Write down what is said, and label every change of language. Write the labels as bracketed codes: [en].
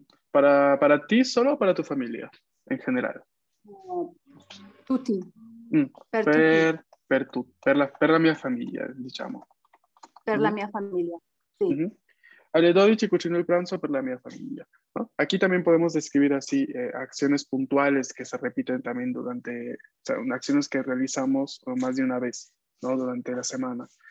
[es] ¿Para ti solo o para tu familia en general? [it] Tutti. Per la mia famiglia, diciamo. Per la mia famiglia. Alle dodici cucino il pranzo per la mia famiglia. [es] ¿No? Aquí también podemos describir así acciones puntuales que se repiten también durante, o sea, acciones que realizamos más de una vez, ¿no? Durante la semana.